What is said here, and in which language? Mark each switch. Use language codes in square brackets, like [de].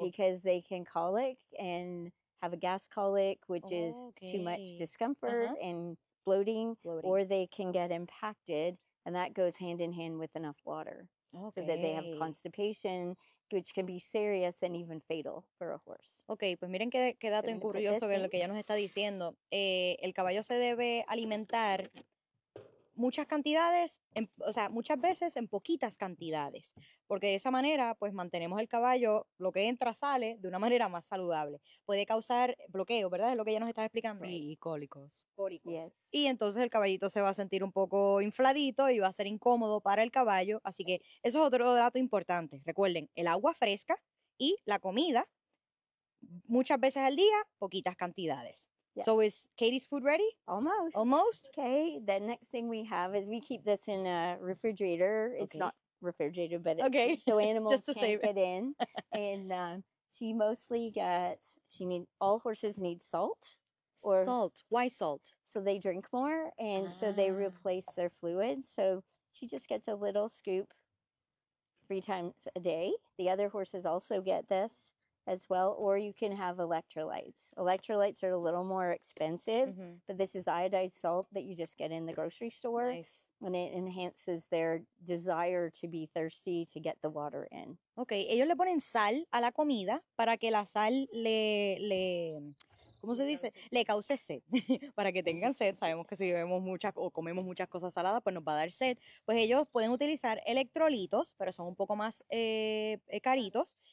[en] Because they can colic and have a gas colic, which okay. is too much discomfort uh-huh. and bloating, or they can get impacted, and that goes hand in hand with enough water. Okay. So that they have constipation, which can be serious and even fatal for a horse. [es] Okay, pues miren qué dato curioso que lo que ella nos está diciendo. El caballo se debe alimentar muchas cantidades, muchas veces en poquitas cantidades, porque de esa manera, pues mantenemos el caballo, lo que entra sale, de una manera más saludable. Puede causar bloqueo, ¿verdad? Es lo que ella nos está explicando. Sí, y cólicos. Cólicos. [en] Yes. [es] Y entonces el caballito se va a sentir un poco infladito y va a ser incómodo para el caballo, así que eso es otro dato importante. Recuerden, el agua fresca y la comida, muchas veces al día, poquitas cantidades. [en] Yes. So is Katie's food ready? Almost. Almost? Okay. The next thing we have is we keep this in a refrigerator. It's okay. not refrigerated, but okay. it's so animals just to can't save it. Get in. And she mostly gets, all horses need salt. Or, salt. Why salt? So they drink more and so they replace their fluid. So she just gets a little scoop three times a day. The other horses also get this. As well, or you can have electrolytes. Electrolytes are a little more expensive, mm-hmm. but this is iodized salt that you just get in the grocery store. Nice. And it enhances their desire to be thirsty to get the water in. [es] Okay, ellos le ponen sal a la comida para que la sal le ¿cómo se dice? Le cause sed. Para que tengan sed. Sabemos que si bebemos muchas o comemos muchas cosas saladas, pues nos va a dar sed. Pues ellos pueden utilizar electrolitos, pero son un poco más caritos.